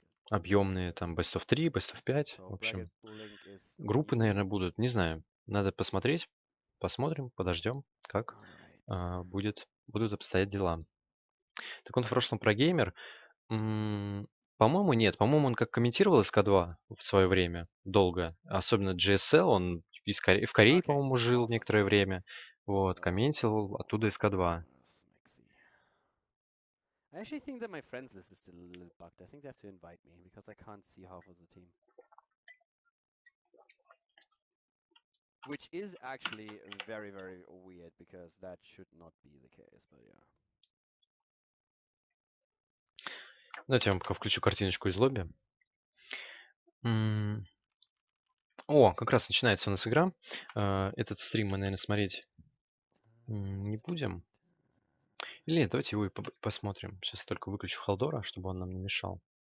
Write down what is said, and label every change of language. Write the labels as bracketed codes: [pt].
[ru] объемные, там, Best of 3, Best of 5, в общем, группы, наверное, будут, не знаю, надо посмотреть, посмотрим, подождем, как будут обстоять дела. Так он в прошлом про геймер, по-моему, нет, по-моему, он как комментировал СК2 в свое время, долго, особенно GSL, он в Корее, по-моему, жил некоторое время, вот, комментил оттуда СК2. [en] I actually think that my friends list is still a little bugged. I think they have to invite me because I can't see half of the team. Which is actually very, very weird because that should not be the case, but yeah. [ru] Давайте я вам пока включу картиночку из лобби. О, как раз начинается у нас игра. Этот стрим мы, наверное, смотреть не будем. Или нет, давайте его и посмотрим. Сейчас я только выключу Халдора, чтобы он нам не мешал.